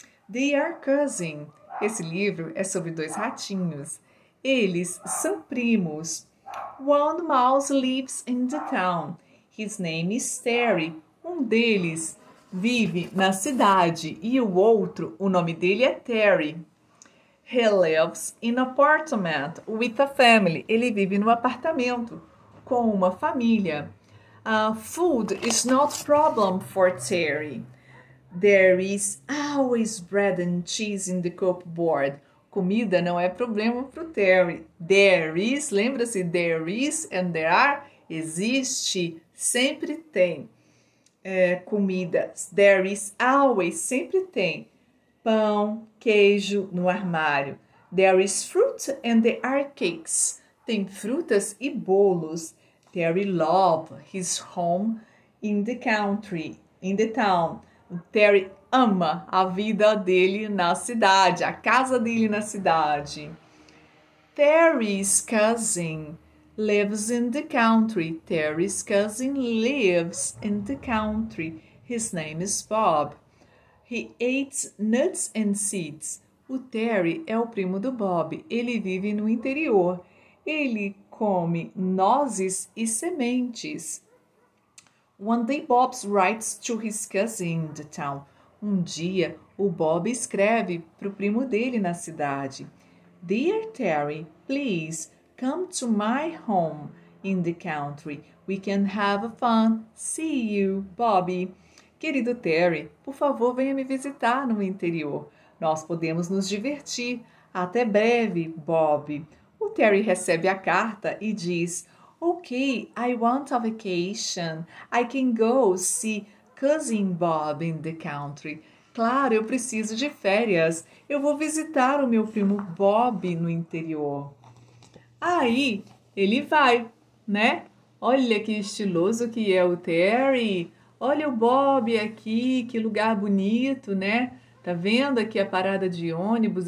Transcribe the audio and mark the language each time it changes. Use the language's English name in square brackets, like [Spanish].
[English] They are cousins. [Portuguese] Esse livro é sobre dois ratinhos. Eles são primos. [English] One mouse lives in the town. His name is Terry. [Portuguese] Um deles vive na cidade e o outro, o nome dele é Terry. [English] He lives in an apartment with a family. [Portuguese] Ele vive num apartamento com uma família. [English] Food is not a problem for Terry. There is always bread and cheese in the cupboard. [Portuguese] Comida não é problema para o Terry. There is, lembra-se, [English] there is and there are, [Portuguese] existe, sempre tem. Comidas. [English] There is always, [Portuguese] sempre tem. Pão, queijo no armário. [English] There is fruit and there are cakes. [Portuguese] Tem frutas e bolos. [English] Terry loves his home in the country, in the town. [Portuguese] Terry ama a vida dele na cidade, a casa dele na cidade. [English] Terry's cousin lives in the country. Terry's cousin lives in the country. His name is Bob. He eats nuts and seeds. [Portuguese] O Terry é o primo do Bob. Ele vive no interior. Ele come nozes e sementes. [English] One day Bob writes to his cousin in the town. [Portuguese] Um dia, o Bob escreve para o primo dele na cidade. [English] Dear Terry, please come to my home in the country. We can have fun. See you, Bobby. [Portuguese] Querido Terry, por favor, venha me visitar no interior. Nós podemos nos divertir. Até breve, Bobby. O Terry recebe a carta e diz: [English] Okay, I want a vacation. I can go see Cousin Bob in the country. [Portuguese] Claro, eu preciso de férias. Eu vou visitar o meu primo Bob no interior. Aí ele vai, né? Olha que estiloso que é o Terry. Olha o Bob aqui, que lugar bonito, né? Tá vendo aqui a parada de ônibus?